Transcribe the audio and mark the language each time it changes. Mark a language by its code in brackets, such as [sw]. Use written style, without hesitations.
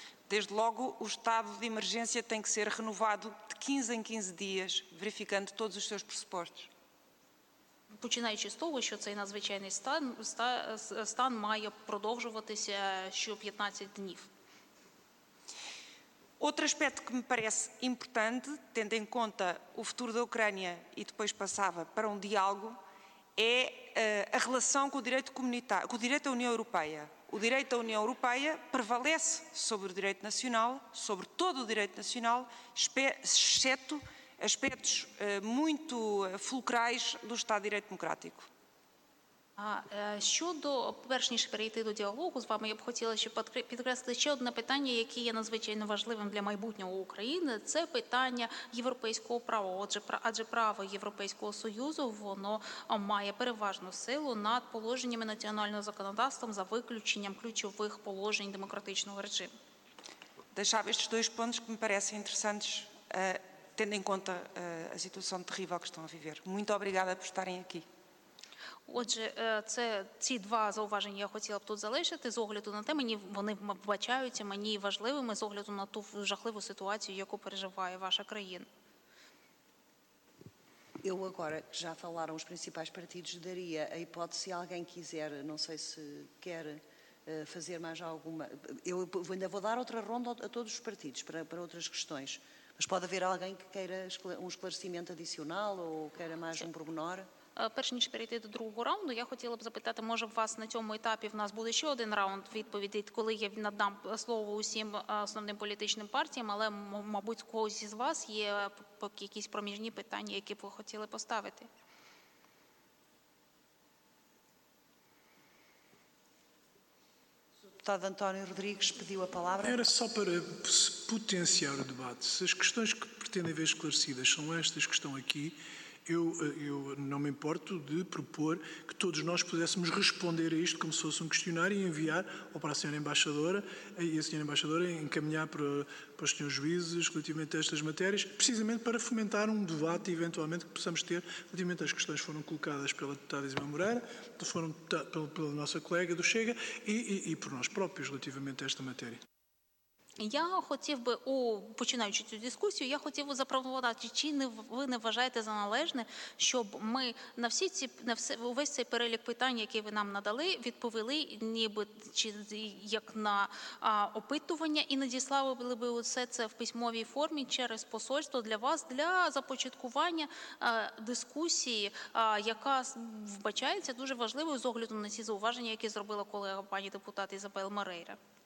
[pt] Desde logo, o estado de emergência tem que ser renovado de 15 em 15 dias, verificando todos os seus pressupostos. [uk] Починаючи з того, що цей надзвичайний стан має продовжуватися ще 15 днів. [pt] Outro aspecto que me parece importante, tendo em conta o futuro da Ucrânia e depois passava para um diálogo, é a relação com o direito comunitário, com o direito à União Europeia. O direito da União Europeia prevalece sobre o direito nacional, sobre todo o direito nacional, exceto aspectos muito fulcrais do Estado de Direito Democrático. [uk] Щодо, перш ніж перейти до діалогу з вами, я б хотіла ще підкреслити ще одне питання, яке є надзвичайно важливим для майбутнього України, це питання європейського права. Адже право Європейського Союзу, воно має переважну силу над положеннями національного законодавства за виключенням ключових положень демократичного режиму. [pt] Deixar estes dois pontos que me parecem interessantes, tendo em conta a situação terrível que estão a viver. Muito obrigada por estarem aqui. [uk] Отже, це ці два зауваження я хотіла б тут залишити з огляду на те, мені вони вбачаються мені важливими з огляду на ту жахливу ситуацію, яку переживає ваша країна. [pt] Eu agora que já falaram os principais partidos daria a hipótese se alguém quiser, não sei se quer fazer mais alguma. Eu ainda vou dar outra ronda a todos os partidos para outras questões. Mas pode haver alguém que queira um esclarecimento adicional ou queira mais um pormenor? [uk] Перш ніж перейти до другого раунду, я хотіла б запитати, може у вас на цьому етапі в нас буде ще один раунд відповідей, коли я надам слово усім основним політичним партіям, але, мабуть, у когось із вас є якісь проміжні питання, які б ви хотіли поставити? [pt] Deputado António Rodrigues pediu a palavra. Era só para potenciar o debate. Se as questões que pretendem ver esclarecidas são estas que estão aqui, eu não me importo de propor que todos nós pudéssemos responder a isto como se fosse um questionário e enviar ou para a senhora embaixadora e a senhora embaixadora encaminhar para os senhores juízes relativamente a estas matérias, precisamente para fomentar um debate eventualmente que possamos ter relativamente às questões que foram colocadas pela deputada Isabel Moreira, foram pela nossa colega do Chega e por nós próprios relativamente a esta matéria. [uk] Я хотів би, починаючи цю дискусію, я хотів би запропонувати, чи ви не вважаєте за належне, щоб ми увесь цей перелік питань, які ви нам надали, відповіли ніби чи як на опитування і надіслали би усе це в письмовій формі через посольство для вас, для започаткування дискусії, яка вбачається дуже важливою з огляду на ці зауваження, які зробила колега пані депутат Ізабель Морейра.